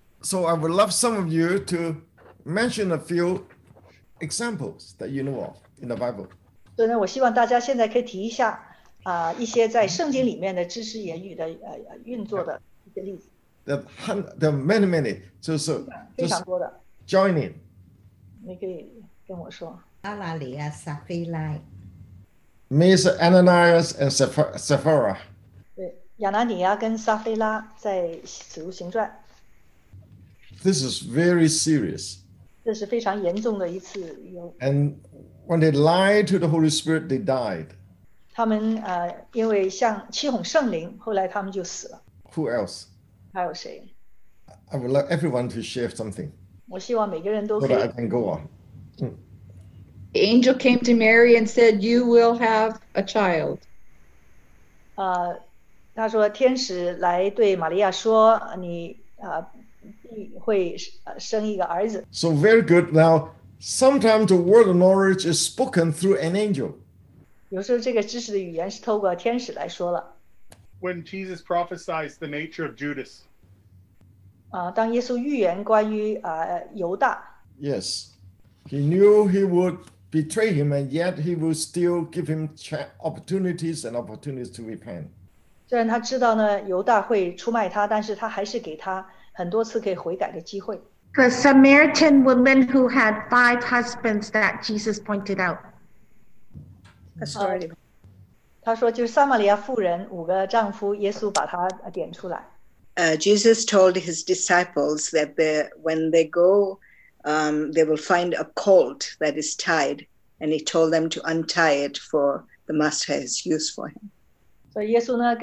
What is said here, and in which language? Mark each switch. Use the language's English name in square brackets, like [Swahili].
[English] So I would love some of you to mention a few examples that you know of in the Bible. [Chinese] 所以呢，我希望大家现在可以提一下。一些在圣经里面的知识言语的运作的一些例子。 [English] There are many, many. [Chinese] 就是非常多的。 [English] Join in. [Chinese] 你可以跟我说。阿拉里亚、撒非莱。 [English] Miss Ananias and Sapphira. [Chinese] 对，亚拿尼亚跟撒非拉在《使徒行传》。 [English] This is very serious. [Chinese] 这是非常严重的一次。 [English] And when they lied to the Holy Spirit, they died. [Chinese] 他们因为像欺哄圣灵，后来他们就死了。 [English] Who else? [Chinese] 还有谁 [English] ？I would like everyone to share something. [Chinese] 我希望每个人都可以。 [English] So that I can go on. The angel came to Mary and said, "You will have a child." [Chinese] 他说天使来对玛利亚说，你会生一个儿子。 [English] So very good. Now, sometimes the word of knowledge is spoken through an angel. [Chinese] 有时候这个知识的语言是透过天使来说了。 [English] When Jesus prophesied the nature of Judas. [Chinese] 当耶稣预言关于犹大。 [English] Yes, he knew he would betray him, and yet he will still give him opportunities and opportunities to repent. [Chinese] 虽然他知道呢犹大会出卖他，但是他还是给他很多次可以悔改的机会。 [English] The Samaritan woman who had five husbands that Jesus pointed out. A story. [Chinese] 他说就是撒玛利亚妇人五个丈夫，耶稣把他点出来。 [English] Jesus told his disciples that when they go, they will find a colt that is tied, and he told them to untie it, for the master has use for him.